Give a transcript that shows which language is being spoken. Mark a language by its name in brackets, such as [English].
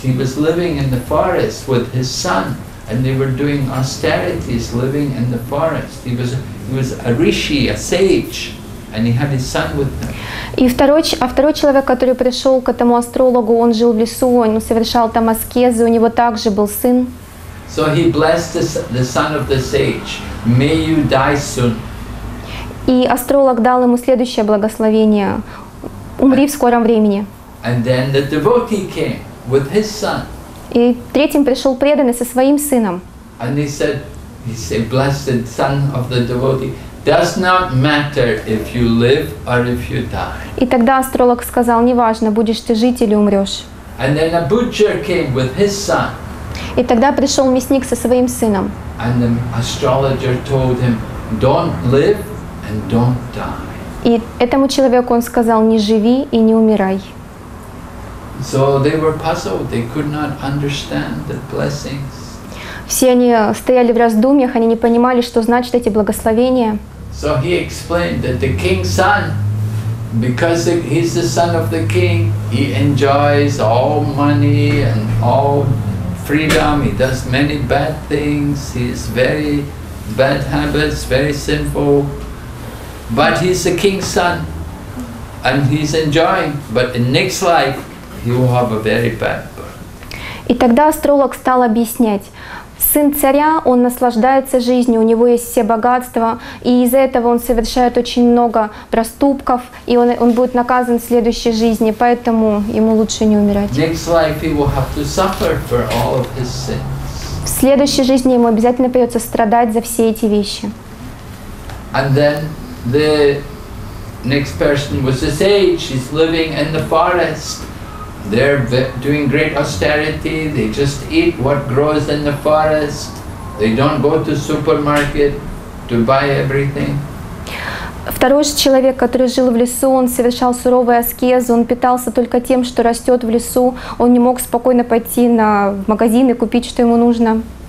[English] He was living in the forest with his son. And they were doing austerities, living in the forest. He was a rishi, a sage, and he had his son with him. [Russian] И второй человек, который пришел к этому астрологу, он жил в лесу, он совершал там аскезы, у него также был сын. [English] So he blessed the son of the sage. May you die soon. [Russian] И астролог дал ему следующее благословение: умри в скором времени. [English] And then the devotee came with his son. [Russian] И третьим пришел преданный со своим сыном. [English] And he said, blessed son of the devotee, does not matter if you live or if you die. [Russian] И тогда астролог сказал, неважно, будешь ты жить или умрешь. [English] And then a butcher came with his son. [Russian] И тогда пришел мясник со своим сыном. [English] And the astrologer told him, don't live and don't die. [Russian] И этому человеку он сказал, не живи и не умирай. [English] So they were puzzled. They could not understand the blessings. [Russian] Все они стояли в раздумьях. Они не понимали, что значат эти благословения. [English] So he explained that the king's son, because he's the son of the king, he enjoys all money and all freedom. He does many bad things. He has very bad habits, very sinful. But he's the king's son, and he's enjoying. But in next life, he will have a very bad birth. [Russian] И тогда астролог стал объяснять. Сын царя, он наслаждается жизнью, у него есть все богатства, и из-за этого он совершает очень много проступков, и он будет наказан в следующей жизни, поэтому ему лучше не умирать. [English] Next life he will have to suffer for all of his sins. [Russian] В следующей жизни ему обязательно придется страдать за все эти вещи. [English] And then the next person was the sage, he's living in the forest. They're doing great austerity. They just eat what grows in the forest. They don't go to supermarket to buy everything. [Russian] Второй же человек, который жил в лесу, он совершал суровые аскезы, он питался только тем, что растет в лесу. Он не мог спокойно пойти на магазин и купить, что ему нужно.